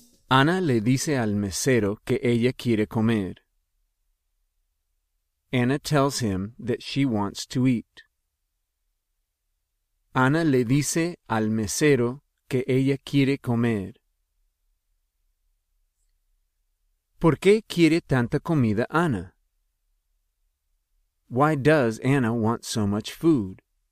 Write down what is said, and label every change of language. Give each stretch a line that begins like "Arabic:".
Spanish: Anna le dice al mesero que ella quiere comer.
English: Anna tells him that she wants to eat.
Spanish: Anna le dice al mesero que ella quiere comer. ¿Por qué quiere tanta comida Anna?
English: Why does Anna want so much food?